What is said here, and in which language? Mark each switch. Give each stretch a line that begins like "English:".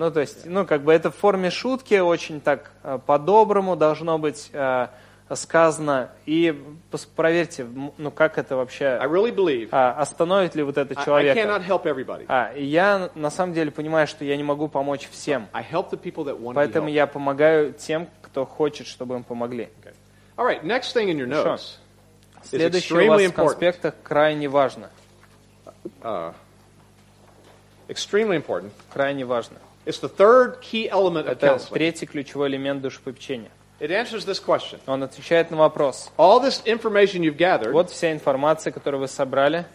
Russian: Это в форме шутки, очень так по-доброму должно быть... сказано, и проверьте, как это вообще
English: really believe,
Russian: остановит ли вот этот человек. Я на самом деле понимаю, что я не могу помочь всем. Поэтому я помогаю тем, кто хочет, чтобы им помогли.
English: Okay. All right, next thing in your notes.
Russian: Следующее у вас в конспектах крайне важно.
English: Extremely important.
Russian: Крайне важно.
English: It's the third key element of counseling.
Russian: Это третий ключевой элемент душепопечения.
English: It answers this question.
Russian: Он отвечает на вопрос.
English: All this information you've gathered.
Russian: Вот вся информация, которую вы собрали.